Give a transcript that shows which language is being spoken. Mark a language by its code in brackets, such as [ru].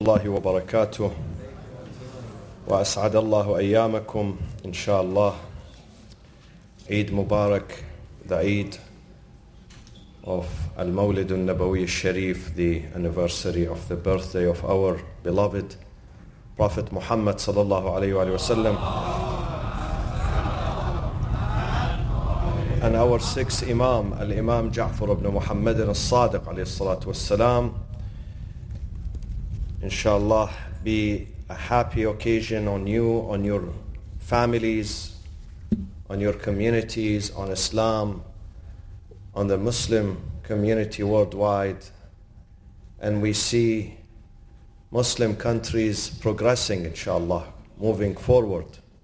[ar] الله وبركاته وأسعد الله أيامكم إن شاء الله. عيد مبارك, [en] the Eid of المولد النبوي الشريف, the anniversary of the birthday of our beloved Prophet Muhammad [ar] صلى الله عليه وآله وسلم, [en] and our sixth Imam, الإمام جعفر بن محمد الصادق [ar] عليه الصلاة والسلام. [en] Inshallah, be a happy occasion on you, on your families, on your communities, on Islam, on the Muslim community worldwide. And we see Muslim countries progressing, inshallah, moving forward.